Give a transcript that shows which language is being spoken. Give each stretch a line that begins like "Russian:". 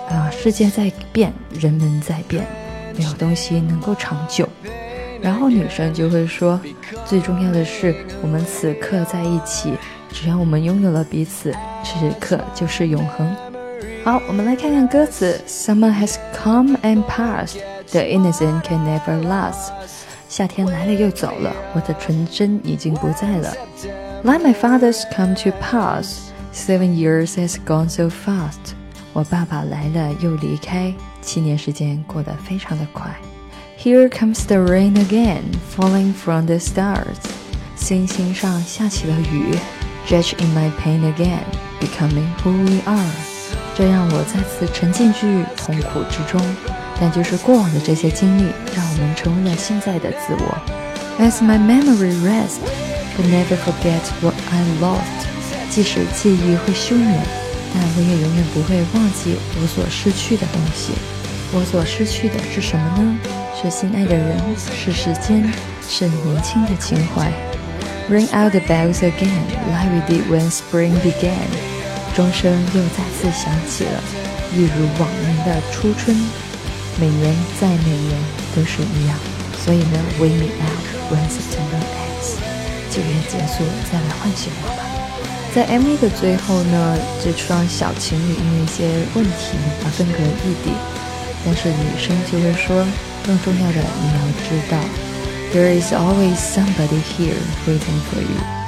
Chinese: 世界在变，人们在变，没有东西能够长久。然后女生就会说，最重要的是我们此刻在一起，只要我们拥有了彼此，此刻就是永恒。好，我们来看看歌词。
English: Summer has come and passed, the innocent can never last.
Chinese: 夏天来了又走了，我的纯真已经不在了。
English: Like my father's come to pass, 7 years has gone so fast.
Chinese: 我爸爸来了又离开，7年时间过得非常的快。
English: Here comes the rain again, falling from the stars.
Chinese: 星星上下起了雨。
English: Judge in my pain again, becoming who we are.
Chinese: 这让我再次沉浸于痛苦之中。但就是过往的这些经历，让我们成为了现在的自我。
English: As my memory rests, but never forget what I lost.
Chinese: 即使记忆会休眠，但我也永远不会忘记我所失去的东西。我所失去的是什么呢？是心爱的人，是时间，是年轻的情怀。
English: Ring out the bells again, like we did when spring began.
Chinese: 钟声又再次响起了，一如往年的初春。每年再每年都是一样，所以呢
English: Wake me up when September ends.
Chinese: 九月结束再来唤醒我吧。在 MV 的最后呢，这双小情侣因为一些问题而分隔异地，但是女生就会说，更重要的你要知道，
English: There is always somebody here waiting for you.